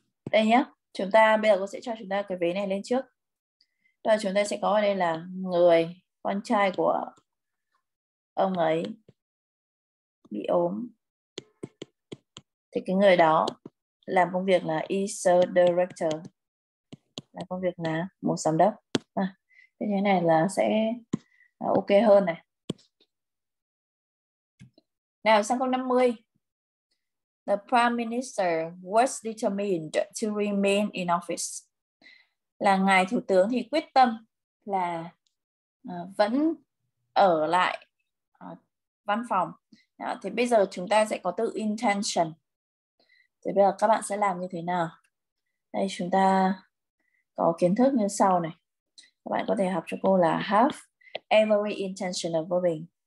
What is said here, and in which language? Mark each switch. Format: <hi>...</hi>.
<vi>Đây nhá, chúng ta bây giờ cô sẽ cho chúng ta cái vế này lên trước. Rồi chúng ta sẽ có ở đây là người con trai của ông ấy bị ốm. Thì cái người đó làm công việc là</vi> <en>is a director,</en> <vi>là công việc là một giám đốc. Thế thế này là sẽ ok hơn này. Nào sang câu 50.</vi> <en>The Prime Minister was determined to remain in office.</en> <vi>Là ngài thủ tướng thì quyết tâm là vẫn ở lại văn phòng. Đó, thì bây giờ chúng ta sẽ có từ intention. Thì bây giờ các bạn sẽ làm như thế nào? Đây chúng ta có kiến thức như sau này. Các bạn có thể học cho cô là</vi> <en>have every intention of voting.</en>